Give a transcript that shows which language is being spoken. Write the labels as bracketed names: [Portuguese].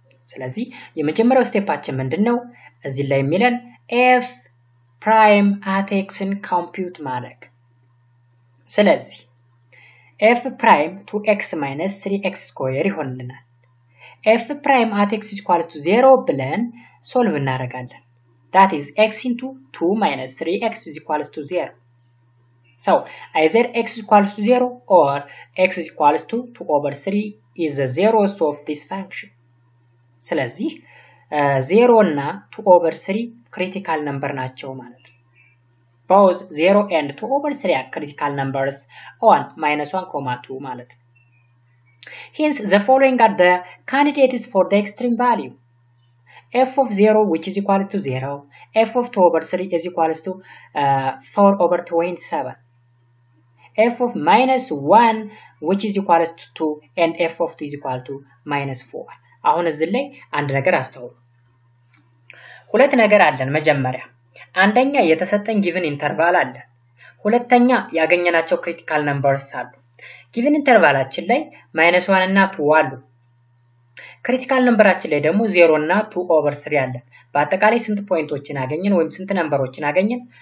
[Amharic] ስለዚ የመጀመሪያው ስቴፓችን ምንድነው? እዚ ላይ የሚለን [English] f prime at x ን compute [Amharic] ማድረግ። ስለዚ [English] f prime 2x minus 3x square [Amharic] ይሆንልናል። [English] f prime at x is equal to 0 [Amharic] ብለን solve እናደርጋለን። [English] That is x into 2 minus 3x is equal to 0. So either x is equal to 0 or x is equal to 2 over 3 is the zeros of this function. [Amharic] ስለዚ 0 እና 2 over 3 critical number ናቸው ማለት ነው። [English] Both 0 and 2 over 3 are critical numbers, 1, minus 1, 2 [Amharic] ማለት ነው። [English] Hence, the following are the candidates for the extreme value. F of 0, which is equal to 0. F of 2 over 3 is equal to 4 over 27. F of minus 1, which is equal to 2. And F of 2 is equal to minus 4. [Amharic] አሁን እዚህ ላይ አንድ ነገር አስተውሉ። ሁለት ነገር አለን መጀመሪያ። አንደኛ የተሰጠን given interval አለ። ሁለተኛ ያገኘናቸው critical numbers አሉ። given intervalአችን ላይ minus 1 እና 2 አሉ። critical numberአችን ላይ ደግሞ 0 እና 2 over 3 አለ። በአጠቃላይ ስንት ፖይንቶችን አገኘን ወይም ስንት ነምበሮችን አገኘን?